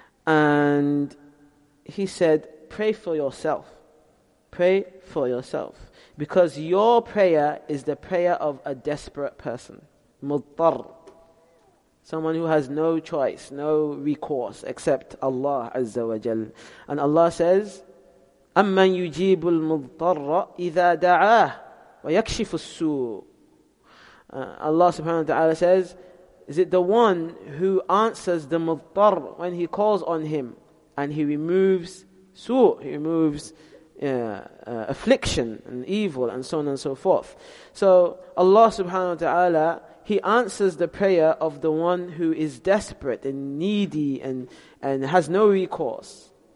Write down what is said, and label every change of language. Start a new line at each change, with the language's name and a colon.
English: And he said, pray for yourself. Pray for yourself. Because your prayer is the prayer of a desperate person. Muttar. Someone who has no choice, no recourse except Allah Azza wa Jal.
Arabic: And Allah says, أَمَّنْ يُجِيبُ الْمُضْطَرَّ إِذَا دَعَاهُ وَيَكْشِفُ السُّوءُ.
English: Allah subhanahu wa ta'ala says, is it the one who answers the muttar when he calls on him and he removes su', he removes affliction and evil and so on and so forth. So Allah subhanahu wa ta'ala, he answers the prayer of the one who is desperate and needy and has no recourse.